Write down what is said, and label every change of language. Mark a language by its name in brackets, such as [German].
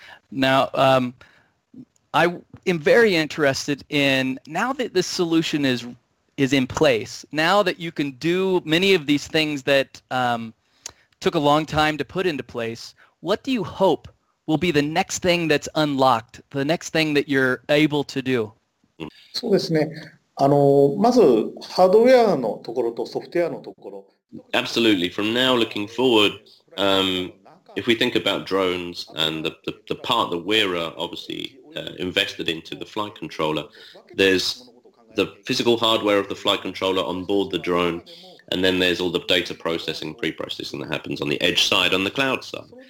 [English] Now, I am very interested in, now that this solution is in place, now that you can do many of these things that took a long time to put into place, what do you hope will be the next thing that's unlocked, the next thing that you're able to do? [Japanese] そうですね。あの、まずハードウェアのところとソフトウェアのところ。 [English] Absolutely. From now looking forward, if we think about drones and the part that we're obviously invested into, the flight controller, there's the physical hardware of the flight controller on board the drone, and then there's all the data processing, pre-processing that happens on the edge side, on the cloud side.